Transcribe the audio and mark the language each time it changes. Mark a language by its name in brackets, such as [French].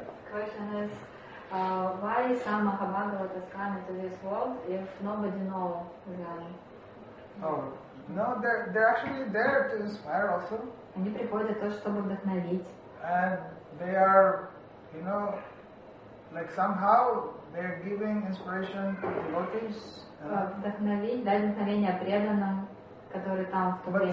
[English] Question is, why is some Mahabhagavata coming to this world if nobody know really? Oh, no, they're actually there to inspire also. [Russian] Они приходят тоже, чтобы вдохновить. [English] And they are, you know, like somehow they're giving inspiration to devotees. [Russian] Вдохновить, дать вдохновение преданным, которые там в то время.